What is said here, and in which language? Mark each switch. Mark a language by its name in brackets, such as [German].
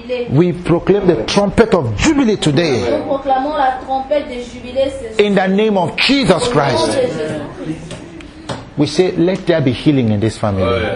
[English] We proclaim the trumpet of jubilee today. [French] Nous proclamons la trompette de jubilee ce soir. [English] In the name of Jesus Christ. We say, let there be healing in this family.